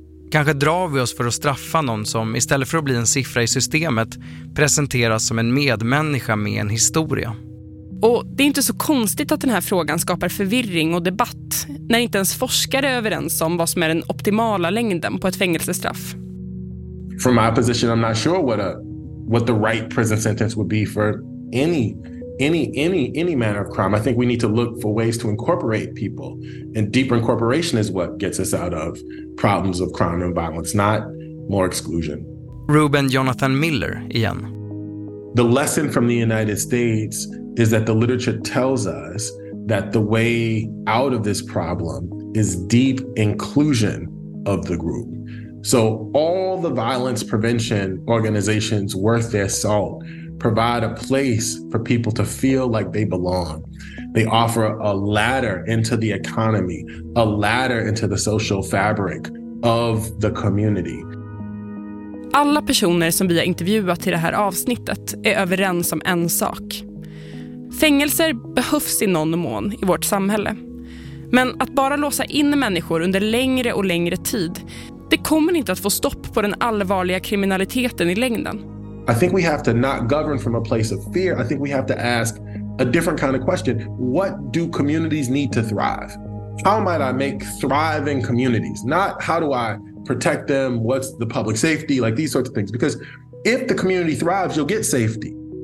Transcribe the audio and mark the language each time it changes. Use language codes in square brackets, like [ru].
[sv] Kanske drar vi oss för att straffa någon som istället för att bli en siffra i systemet presenteras som en medmänniska med en historia. Och det är inte så konstigt att den här frågan skapar förvirring och debatt när inte ens forskare är överens om vad som är den optimala längden på ett fängelsestraff. [en] From my position I'm not sure what the right prison sentence would be for any manner of crime. I think we need to look for ways to incorporate people, and deeper incorporation is what gets us out of problems of crime and violence, not more exclusion. [sv] Ruben Jonathan Miller igen. [en] The lesson from the United States is that the literature tells us that the way out of this problem is deep inclusion of the group. So all the violence prevention organizations worth their salt provide a place for people to feel like they belong. They offer a ladder into the economy, a ladder into the social fabric of the community. [sv] Alla personer som vi har intervjuat i det här avsnittet är överens om en sak. Fängelser behövs i någon mån i vårt samhälle. Men att bara låsa in människor under längre och längre tid, det kommer inte att få stopp på den allvarliga kriminaliteten i längden. [en] I think we have to not govern from a place of fear. I think we have to ask a different kind of question. What do communities need to thrive? How might I make thriving communities? Not how do I protect them? What's the public safety? Like these sorts of things. Because if the community thrives, you'll get safety.